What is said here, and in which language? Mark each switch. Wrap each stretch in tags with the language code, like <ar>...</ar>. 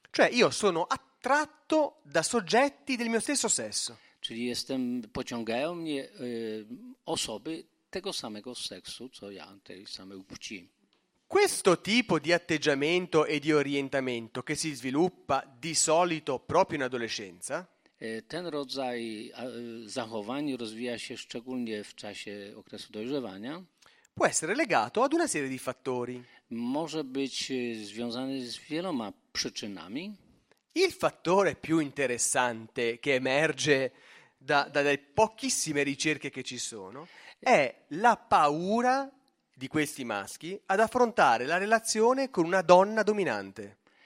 <it>Cioè, io sono attratto da soggetti del mio stesso sesso.</it> <pl>Czyli jestem, pociągają mnie osoby tego samego seksu, co ja, tej samej płci.</pl> <it>Questo tipo di atteggiamento e di orientamento che si sviluppa di solito proprio in adolescenza?</it> <pl>Ten rodzaj zachowań rozwija się szczególnie w czasie okresu dojrzewania.</pl> <it>Può essere legato ad una serie di fattori.</it> <pl>Może być związany z wieloma przyczynami.</pl> <it>Il fattore più interessante che emerge dalle pochissime ricerche che ci sono è la paura di questi maschi ad affrontare la relazione con una donna dominante.</it>